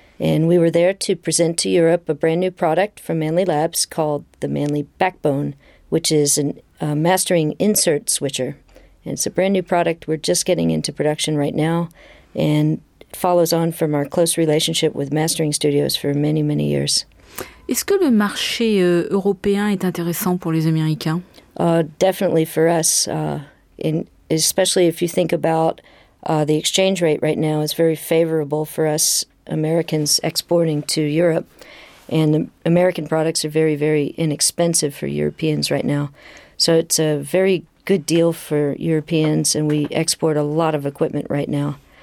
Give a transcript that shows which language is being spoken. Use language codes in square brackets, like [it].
[en] And we were there to present to Europe a brand new product from Manley Labs called the Manley Backbone, which is a mastering insert switcher. And it's a brand new product. We're just getting into production right now and follows on from our close relationship with mastering studios for many, many years. [fr] Est-ce que le marché européen est intéressant pour les Américains? [en] Definitely for us, especially if you think about the exchange rate right now is very favorable for us Americans exporting to Europe. And the American products are very, very inexpensive for Europeans right now. So it's a very good deal for Europeans, and we export a lot of equipment right now.